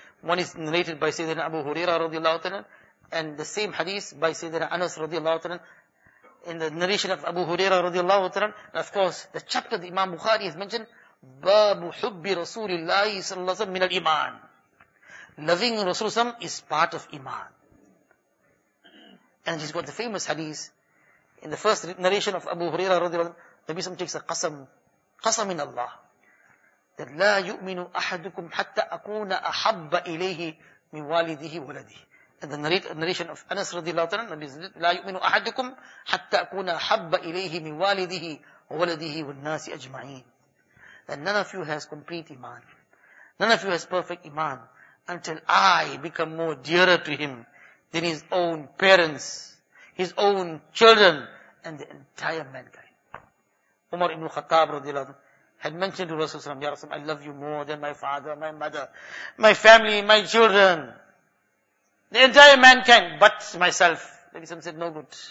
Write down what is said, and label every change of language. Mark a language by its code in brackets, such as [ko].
[en] One is narrated by Sayyidina Abu Huraira radiallahu ta'ala, and the same hadith by Sayyidina Anas radiallahu ta'ala, in the narration of Abu Huraira radiallahu ta'ala, and of course, the chapter that Imam Bukhari has mentioned, Babu Hubbi Rasulullah sallallahu alayhi wa sallam min al iman. Loving Rasulullah is part of iman. And he's got the famous hadith, in the first narration of Abu Huraira radiallahu ta'ala, Nabi Sallam takes a qasam, qasam in Allah. [ar] That لا يؤمن أحدكم حتى أكون أحب إليه من والده ولده. And the narration of Anas رضي الله عنه, Nabi said, لا يؤمن أحدكم حتى أكون أحب إليه من والده ولده والناس أجمعين. [en] That none of you has complete iman, none of you has perfect iman, until I become more dearer to him than his own parents, his own children, and the entire mankind. Umar ibn Khattab radiallahu anhu had mentioned to Rasulullah sallallahu alayhi wa sallam, "Ya Rasul, I love you more than my father, my mother, my family, my children, the entire mankind, but myself." The Prophet said, "No good."